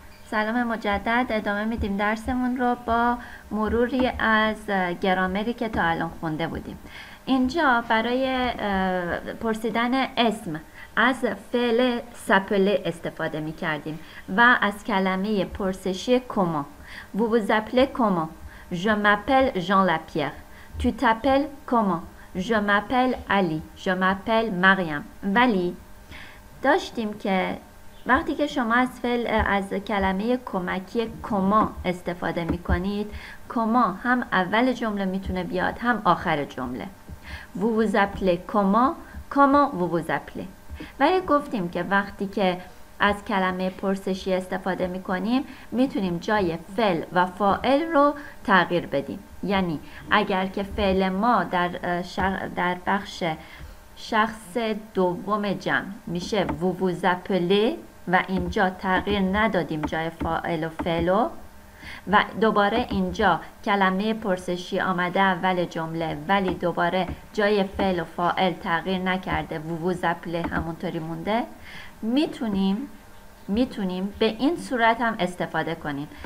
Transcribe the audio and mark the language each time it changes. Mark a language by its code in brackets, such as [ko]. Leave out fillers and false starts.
[fa] سلام مجدد، ادامه میدیم درسمون رو با مروری از گرامری که تا الان خونده بودیم. اینجا برای پرسیدن اسم از فعل سپله استفاده میکردیم و از کلمه پرسشی کما. [fr] Vous vous appelez comment? Je m'appelle Jean Lapierre. Tu t'appelles comment? Je m'appelle Ali. Je m'appelle Mariam. [fa] ولی داشتیم که وقتی که شما از فعل از کلمه کمکی کما استفاده می کنید، کما هم اول جمله می تونه بیاد هم آخر جمله. [fr] Vous vous appelez comment? Comment vous vous appelez? [fa] ولی گفتیم که وقتی که از کلمه پرسشی استفاده می کنیم می تونیم جای فعل و فاعل رو تغییر بدیم. یعنی اگر که فعل ما در بخش شخص دوم جمع میشه وو وو زپله و اینجا تغییر ندادیم جای فاعل و فعلو و دوباره اینجا کلمه پرسشی آمده اول جمله ولی دوباره جای فعل و فاعل تغییر نکرده، وو وو زپله همونطوری مونده، میتونیم به این صورت هم استفاده کنیم.